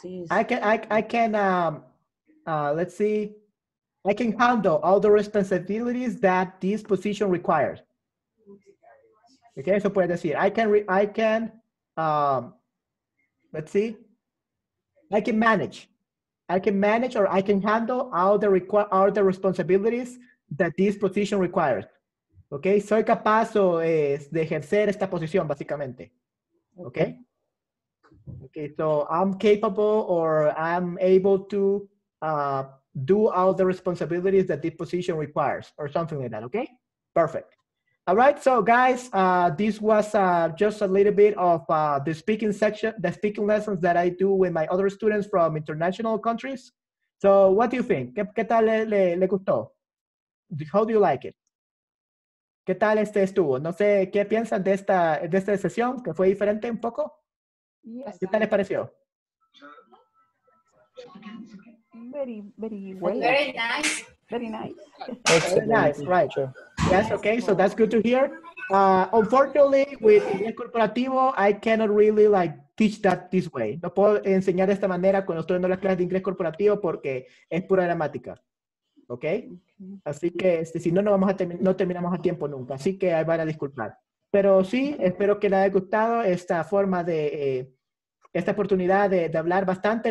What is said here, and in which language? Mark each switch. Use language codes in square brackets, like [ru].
[en] I can handle all the responsibilities that this position requires. Okay, [es] eso puedes decir. [en] I can manage or I can handle all the responsibilities that this position requires. [es] Okay, soy capaz o, de ejercer esta posición, básicamente. [en] Okay. Okay, so I'm capable or I'm able to do all the responsibilities that this position requires or something like that. Okay, perfect. All right, so guys, this was just a little bit of the speaking section, the speaking lessons that I do with my other students from international countries. So what do you think? [es] ¿Qué tal le gustó? [en] How do you like it? [es] ¿Qué tal este estuvo? No sé, ¿qué piensan de esta sesión? ¿Que fue diferente un poco? [en] Yes. [es] ¿Qué tal les pareció? [en] Very, very, very nice. Very nice, right. Yes, okay, so that's good to hear. Unfortunately, with Ingles Corporativo, I cannot really like teach that this way. [es] No puedo enseñar de esta manera cuando estoy dando las clases de Inglés Corporativo porque es pura gramática, okay? Así que este, si no, no terminamos a tiempo nunca, así que ahí van a disculpar. Pero sí, espero que les haya gustado esta forma de, esta oportunidad de hablar bastante.